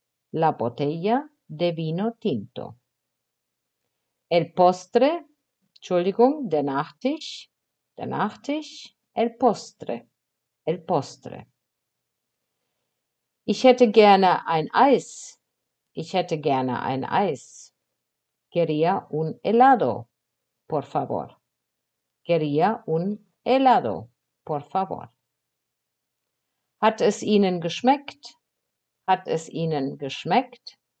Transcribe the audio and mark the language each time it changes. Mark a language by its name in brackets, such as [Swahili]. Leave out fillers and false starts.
[Spanish] La botella de vino tinto. El postre. [German] Entschuldigung, der Nachtisch. Der Nachtisch. [Spanish] El postre. El postre. [German] Ich hätte gerne ein Eis. Ich hätte gerne ein Eis. [Spanish] Quería un helado, por favor. Quería un helado, por favor. [German] Hat es Ihnen geschmeckt? Hat es Ihnen geschmeckt?